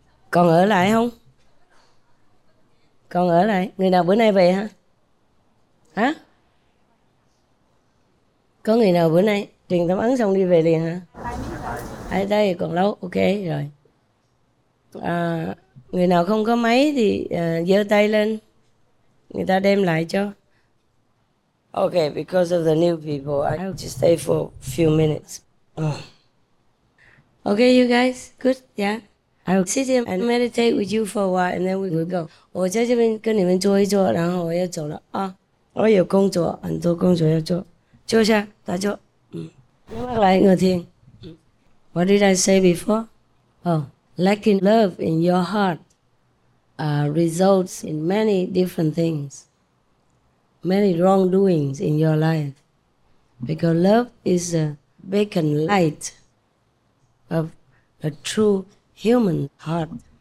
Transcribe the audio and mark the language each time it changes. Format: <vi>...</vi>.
<vi>Còn ở lại không? Còn ở lại, người nào bữa nay về hả? Hả? Có người nào bữa nay truyền tâm ấn xong đi về liền hả? Ở đây còn lâu, ok rồi. À, người nào không có máy thì giơ tay lên. Người ta đem lại cho.</vi> <en>Okay, because of the new people, I have to stay for a few minutes. Oh. Okay, you guys, good, yeah? I'll sit here and meditate with you for a while, and then we will go.</en> <zh>我在这边跟你们坐一坐，然后我要走了啊。我有工作，很多工作要做。坐下，打坐。</zh> <en>What did I say before? Oh, lacking love in your heart results in many different things, many wrongdoings in your life. Because love is a beacon light of a true human heart.</en>